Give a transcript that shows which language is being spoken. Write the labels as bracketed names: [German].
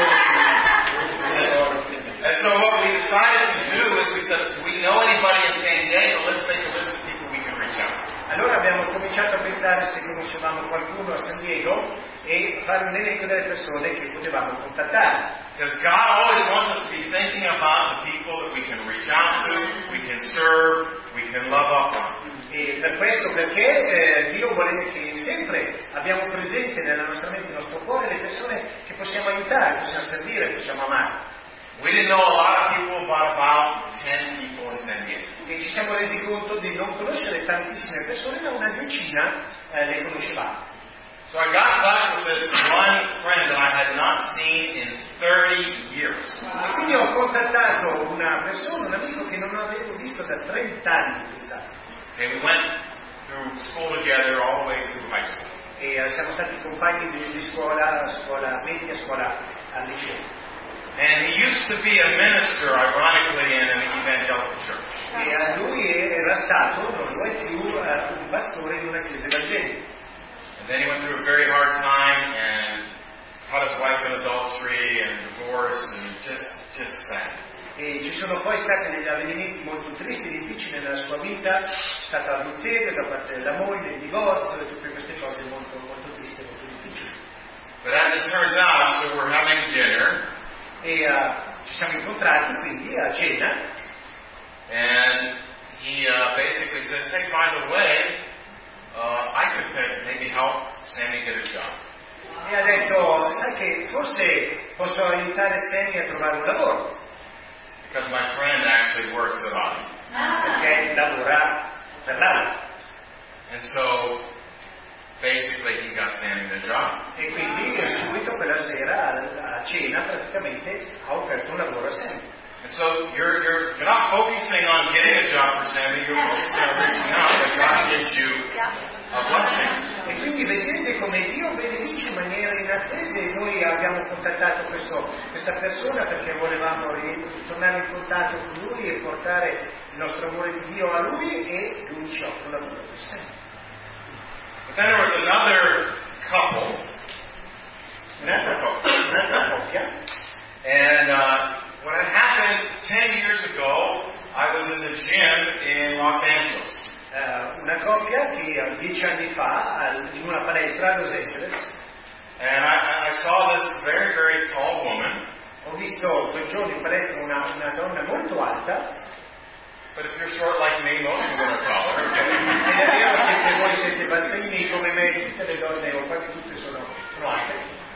[English] So what we decided to do is we said, do we know anybody in San Diego? Let's make a list of people we can reach out to. [Italian] Allora abbiamo cominciato a pensare se conoscevamo qualcuno a San Diego e fare un elenco delle persone che potevamo contattare. [English] Because God always wants us to be thinking about the people that we can reach out to, we can serve, we can love up on. [Italian] E per questo perché Dio vuole che sempre abbiamo presente nella nostra mente, nel nostro cuore, le persone che possiamo aiutare, possiamo servire, possiamo amare. [English] We didn't know a lot of people, but about 10 people in San Diego. [Italian] e ci siamo resi conto di non conoscere tantissime persone, ma una decina le conoscevamo. [English] So I got talking with this one friend that I had not seen in 30 years. [Italian] E quindi ho contattato una persona, un amico che non avevo visto da 30 anni, esatto. [English] And we went through school together all the way through high school. [Italian] E siamo stati compagni di scuola, scuola media, scuola al liceo. [English] And he used to be a minister, ironically, in an evangelical church. [Italian] E lui era stato, non lo è più, un pastore in una chiesa evangelica. [English] And then he went through a very hard time and caught his wife in adultery and divorce and just sad. [Italian] E ci sono poi stati degli avvenimenti molto tristi e difficili nella sua vita, è stata adulterio da parte della moglie, il divorzio e tutte queste cose molto molto triste, molto difficili. [English] But as it turns out, so we're having dinner. [Italian] E ci siamo incontrati quindi a cena. [English] And he basically says, hey, by the way, I could maybe help Sammy get a job. [Italian] E ha detto, sai che forse posso aiutare Sammy a trovare un lavoro. [English] Because my friend actually works at Audi. [Italian] Perché lavora per l'Audi. [English] And so basically he got Sammy the job. [Italian] E quindi subito quella sera a cena praticamente ha offerto un lavoro a Sammy. [English] And so you're not focusing on getting a job for Sammy, you're focusing on reaching out that God gives you a blessing. [Italian] E quindi vedete come Dio benedice in maniera inattesa, e noi abbiamo contattato questa persona perché volevamo tornare in contatto con lui e portare il nostro amore di Dio a lui, e lui ci offre la lavoro per sé. [English] But then there was another couple. [Italian] Un'altra coppia. [English] And what had happened 10 years ago, I was in the gym in Los Angeles. [Italian] Una coppia che 10 anni fa in una palestra a Los Angeles. [English] And I saw this very, very tall woman. [Italian] Ho visto quel giorno in palestra una donna molto alta. [English] But if you're short like me, most people are taller. [Italian] Ed è vero che se voi siete bassini come me, tutte le donne o quasi tutte sono alte.